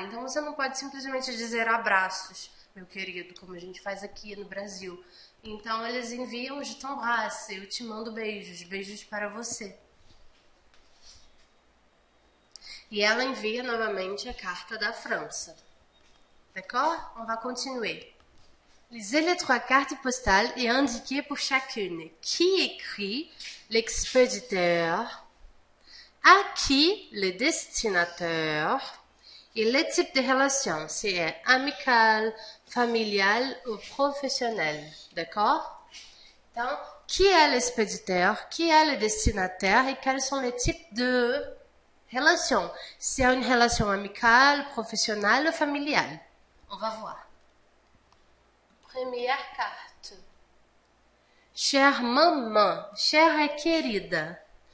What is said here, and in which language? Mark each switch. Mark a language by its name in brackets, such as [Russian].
[Portuguese] Então, você não pode simplesmente dizer abraços, meu querido, como a gente faz aqui no Brasil. Então, eles enviam [French] je t'embrasse, [Portuguese] eu te mando beijos, beijos para você. E ela envia novamente a carta da França. [French] D'accord? On va continuer. Lisez les trois cartes postales et indiquez pour chacune qui écrit l'expéditeur, à qui le destinateur et le type de relation, si c'est amical, familial ou professionnel. D'accord? Então, qui est l'expéditeur, qui est le destinateur et quels sont les types de relação, [Portuguese] se é uma relação amical, profissional ou familiar. [French] On va voir. Première carte. Chère maman, chère [Portuguese] é querida.